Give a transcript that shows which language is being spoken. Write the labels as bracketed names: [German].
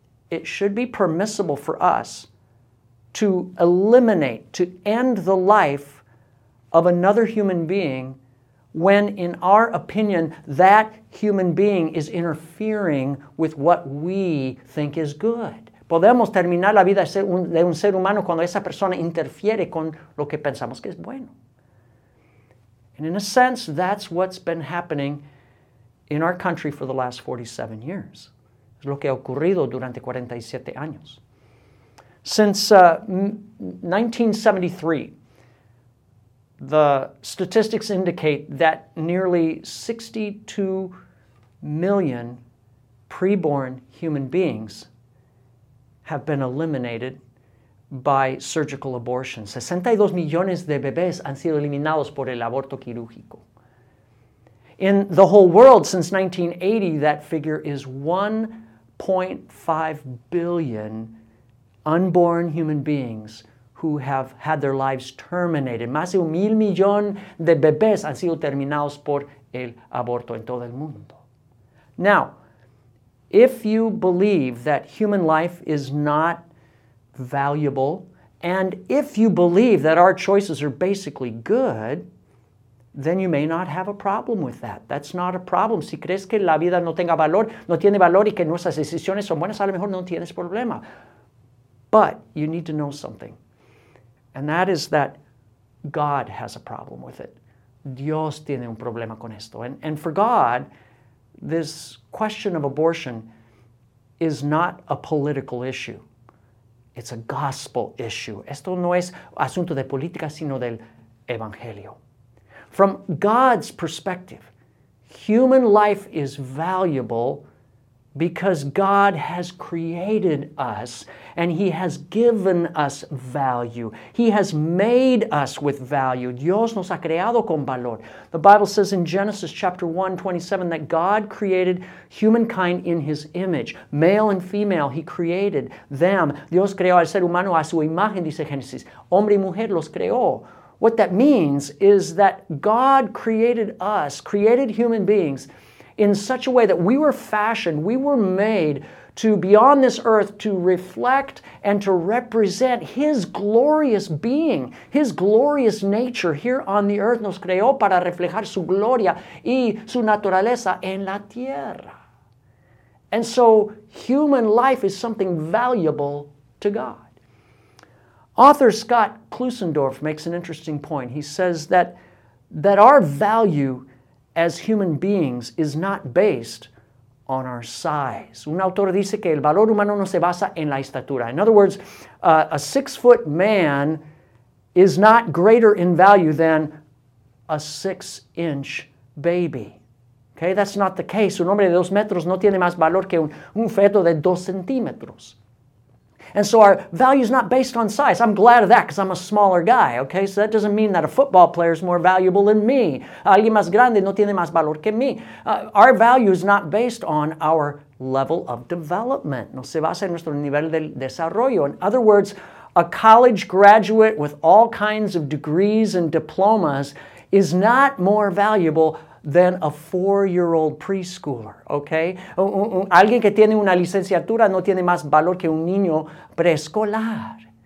[English] it should be permissible for us to eliminate, to end the life of another human being when, in our opinion, that human being is interfering with what we think is good. [Spanish] Podemos terminar la vida de un ser humano cuando esa persona interfiere con lo que pensamos que es bueno. [English] And in a sense, that's what's been happening in our country for the last 47 years. [Spanish] Es lo que ha ocurrido durante 47 años. [English] Since 1973, the statistics indicate that nearly 62 million preborn human beings have been eliminated by surgical abortion. [Spanish] 62 millones de bebés han sido eliminados por el aborto quirúrgico. [English] In the whole world, since 1980, that figure is 1.5 billion unborn human beings who have had their lives terminated. [Spanish] Más de 1,000,000,000 de bebés han sido terminados por el aborto en todo el mundo. [English] Now, if you believe that human life is not valuable, and if you believe that our choices are basically good, then you may not have a problem with that. That's not a problem. [Spanish] Si crees que la vida no tiene valor y que nuestras decisiones son buenas, a lo mejor no tienes problema. [English] But you need to know something. And that is that God has a problem with it. [Spanish] Dios tiene un problema con esto. [English] And for God, this question of abortion is not a political issue. It's a gospel issue. [Spanish] Esto no es asunto de política, sino del evangelio. [English] From God's perspective, human life is valuable because God has created us and He has given us value. He has made us with value. [Spanish] Dios nos ha creado con valor. [English] The Bible says in Genesis chapter 1, 27 that God created humankind in His image. Male and female, He created them. [Spanish] Dios creó al ser humano a su imagen, dice Genesis. Hombre y mujer los creó. [English] What that means is that God created us, created human beings, in such a way that we were fashioned, we were made to be on this earth to reflect and to represent His glorious being, His glorious nature here on the earth. [Spanish] Nos creó para reflejar su gloria y su naturaleza en la tierra. [English] And so human life is something valuable to God. Author Scott Klusendorf makes an interesting point. He says that our value as human beings is not based on our size. [Spanish] Un autor dice que el valor humano no se basa en la estatura. [English] In other words, a 6-foot man is not greater in value than a 6-inch baby. Okay, that's not the case. [Spanish] Un hombre de 2 metros no tiene más valor que un feto de 2 centímetros. [English] And so our value is not based on size. I'm glad of that because I'm a smaller guy, okay? So that doesn't mean that a football player is more valuable than me. [Spanish] Alguien más grande no tiene más valor que mí. [English] Our value is not based on our level of development. [Spanish] No se basa en nuestro nivel de desarrollo. [English] In other words, a college graduate with all kinds of degrees and diplomas is not more valuable than a 4-year-old preschooler, okay? [Spanish] Alguien que tiene una licenciatura no tiene más valor que un niño preescolar.